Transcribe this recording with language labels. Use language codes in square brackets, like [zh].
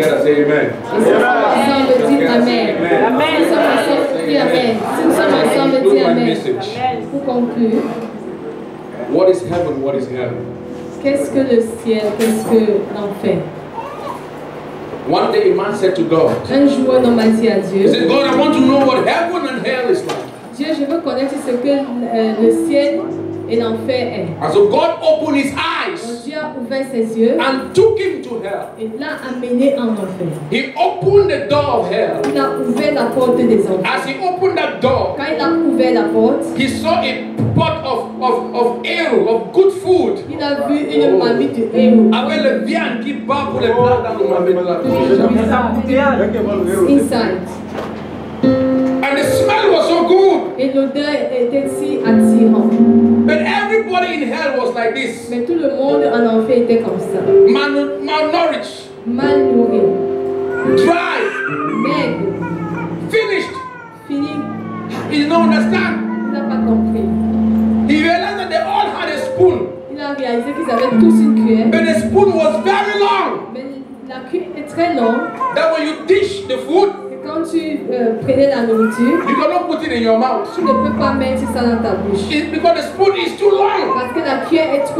[fr] Ensemble, dites Amen. Amen. Nous sommes ensemble, dites Amen. Si nous sommes ensemble, dites Amen. Pour conclure, [en] what is heaven? What is hell? [fr] Qu'est-ce que le ciel? Qu'est-ce que l'enfer? [en] One day, a man said to God. [fr] Un jour, un homme a dit à Dieu. [en] He said, God, I want to know what heaven and hell is like. [fr] Dieu, je veux connaître ce que le ciel et l'enfer est. [en] And so God opened his eyes. [fr] Dieu a ouvert ses yeux. [en] And took him to hell. [fr] Et l'a amené en enfer. [en] He opened the door of hell. [fr] Il a ouvert la porte des enfers. [en] As he opened that door. [fr] Quand il a ouvert la porte. [en] He saw a pot of ale, of good food. [fr] Il a vu une marmite de ale. Avec le viande qui bat pour les plats dans la marmite. Inside. [en] And the smell was so good. [fr] Et l'odeur était si attirant. [en] But everybody in hell was like this. [fr] Mais tout le monde en enfer était comme ça. [en] Malnourished. [fr] Mal nourri. [en] Dry. [fr] Maigre. [en] Finished. [fr] Fini. [en] He did not understand. [fr] Il n'a pas compris. [en] He realized that they all had a spoon. [fr] Il a réalisé qu'ils avaient tous une cuillère. [en] But the spoon was very long. [fr] Mais la cuillère était très longue. [en] That when you dish the food. [fr] Quand tu prenais la nourriture, [en] you cannot put it in your mouth. [fr] Tu ne peux pas mettre ça dans ta bouche. [en] It's because the spoon is too long. [fr] Parce que la cuillère est trop